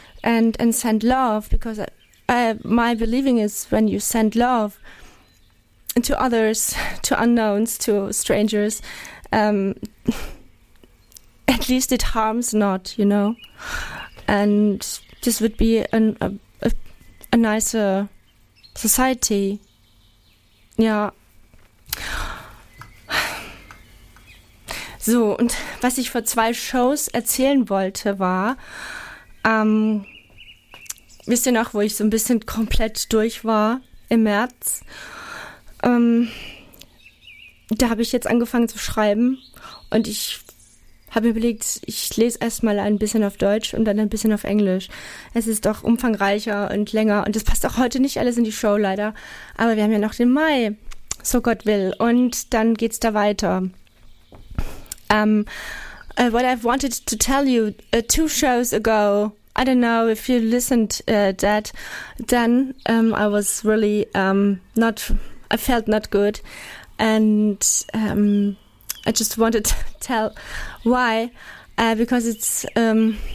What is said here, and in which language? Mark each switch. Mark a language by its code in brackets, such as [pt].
[en] And send love, because my believing is when you send love to others, to unknowns, to strangers, at least it harms not, you know. And this would be a nicer society. Yeah. [de] So, und was ich vor zwei Shows erzählen wollte, war, wisst ihr noch, wo ich so ein bisschen komplett durch war im März? Da habe ich jetzt angefangen zu schreiben und ich habe mir überlegt, ich lese erstmal ein bisschen auf Deutsch und dann ein bisschen auf Englisch. Es ist doch umfangreicher und länger und es passt auch heute nicht alles in die Show leider. Aber wir haben ja noch den Mai, so Gott will. Und dann geht's da weiter. [en] What I've wanted to tell you two shows ago, I don't know if you listened that, then I was really I felt not good, and I just wanted to tell why, because it's a